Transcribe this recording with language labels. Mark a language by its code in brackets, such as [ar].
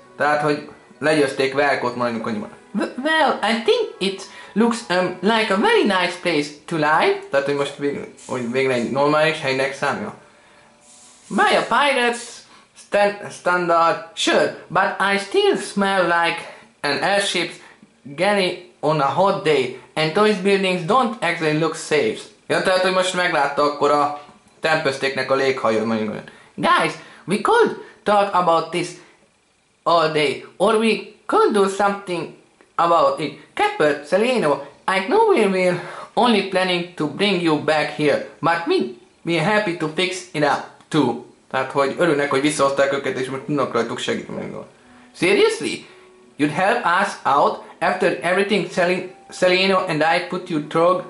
[hu] Tehát, hogy legyőzték Velkót, mondjuk annyi van. [en] Well, I think it looks like a very nice place to lie. [hu] Tehát, hogy most végre egy normális helynek számja. [en] By a pirate's standard, sure, but I still smell like an airship galley on a hot day, and those buildings don't actually look safe. [hu] Ja, tehát, hogy most meglátta akkor a Tempestéknek a léghajó, mondjuk olyan. [en] Guys, we could talk about this all day, or we could do something about it. Kepler, Celino, I know we were only planning to bring you back here, but we are happy to fix it up too. [hu] Tehát, hogy örülnek, hogy visszahozták őket, és most tudnak rajtuk segíteni. [en] Seriously? You'd help us out after everything Celino and I put you through?